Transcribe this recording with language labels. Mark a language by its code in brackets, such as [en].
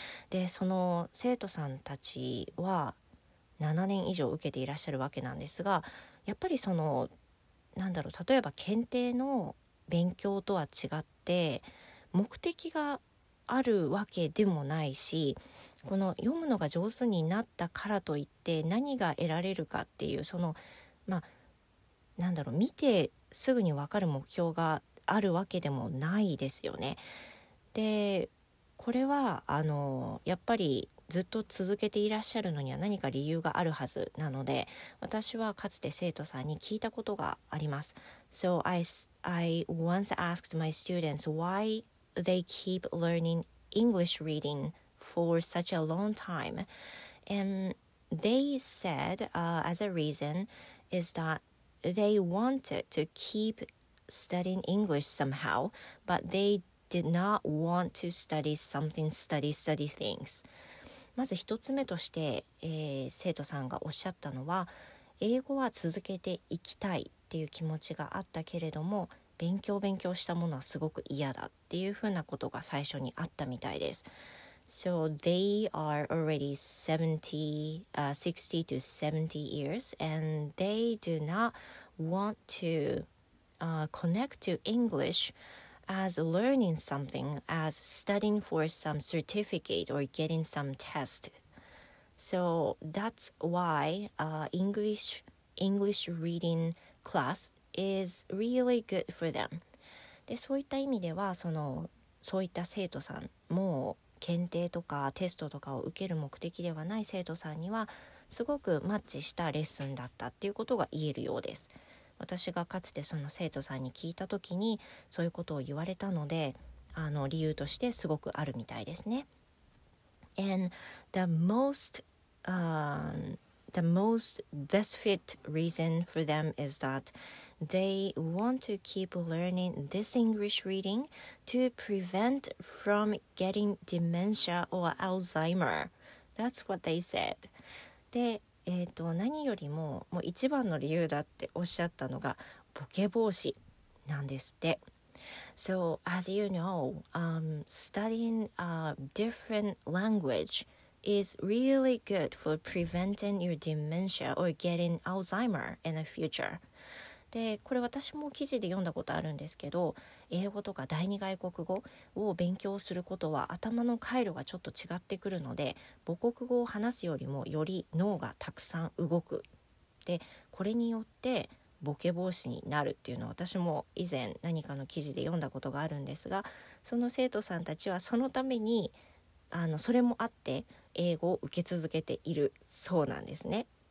[ja] で、その生徒さんたちは7年以上受けていらっしゃるわけなんですが、やっぱりそのなんだろう、例えば検定の勉強とは違って目的があるわけでもないし、この読むのが上手になったからといって何が得られるかっていう、そのまあなんだろう、見てすぐに分かる目標があるわけでもないですよね。で、これはやっぱりずっと続けていらっしゃるのには何か理由があるはずなので、私はかつて生徒さんに聞いたことがあります。 [en] So I once asked my students why they keep learning English reading for such a long time, and they said as a reason is that they wanted to keep studying English somehow, but they did not want to study something, study things. [ja] まず一つ目として、生徒さんがおっしゃったのは、英語は続けていきたいっていう気持ちがあったけれども、勉強したものはすごく嫌だっていうふうなことが最初にあったみたいです。 [en] So they are already 60 to 70 years and they do not want to connect to English as learning something, as studying for some certificate or getting some test. So that's why English reading class is really good for them. [ja] で、そういった意味ではそういった生徒さんも検定とかテストとかを受ける目的ではない生徒さんにはすごくマッチしたレッスンだったっていうことが言えるようです。私がかつてその生徒さんに聞いた時にそういうことを言われたので、理由としてすごくあるみたいですね。 [en] And the most best fit reason for them is that they want to keep learning this English reading to prevent from getting dementia or Alzheimer. That's what they said. [ja] で、何よりも、もう一番の理由だっておっしゃったのがボケ防止なんですって。 [en] So as you know, studying a different language is really good for preventing your dementia or getting Alzheimer in the future. [ja] で、これ私も記事で読んだことあるんですけど、英語とか第二外国語を勉強することは頭の回路がちょっと違ってくるので、母国語を話すよりもより脳がたくさん動く、で、これによってボケ防止になるっていうのを私も以前何かの記事で読んだことがあるんですが、その生徒さんたちはそのためにそれもあって英語を受け続けているそうなんですね。